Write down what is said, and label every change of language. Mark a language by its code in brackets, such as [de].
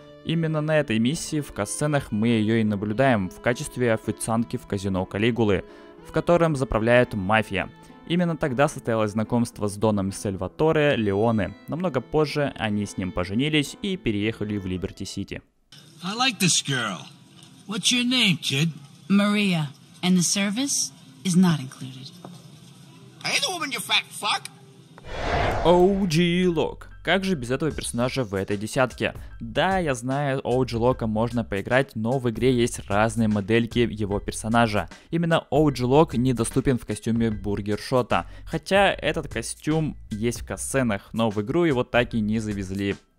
[ru] Именно на этой миссии в катсценах мы ее и наблюдаем в качестве официантки в казино Калигулы, в котором заправляет мафия. Именно тогда состоялось знакомство с Доном Сальваторе Леоне. Намного позже они с ним поженились и переехали в Liberty City. [en] I like this girl. What's your name, kid? Maria. And the service is not included. Are you the woman, you fat fuck? OG Lock. [ru] Как же без этого персонажа в этой десятке? Да, я знаю, OG Lock'а можно поиграть, но в игре есть разные модельки его персонажа. Именно OG Lock недоступен в костюме Бургершота. Хотя этот костюм есть в катсценах, но в игру его так и не завезли.